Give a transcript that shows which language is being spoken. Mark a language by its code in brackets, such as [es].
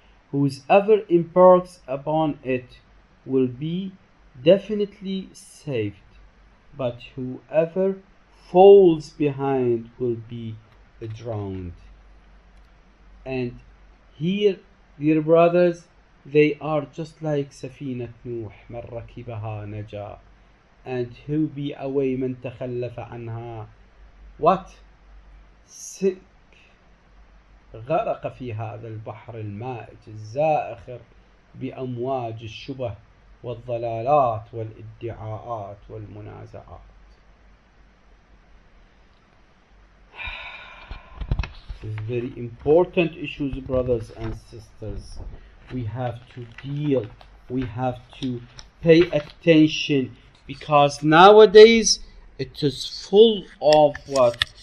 [en] Whoever embarks upon it will be definitely saved, but whoever falls behind will be drowned. And here, dear brothers, they are just like Safinat Nuh, [ar] من ركبها نجا. [en] And who be away [ar] من تخلف عنها. [en] What? Sink. [ar] غرق في هذا البحر المائج الزائخر بأمواج الشبه والضلالات والادعاءات والمنازعات. [en] This is very important issues, brothers and sisters. We have to deal. We have to pay attention, because nowadays it is full of what?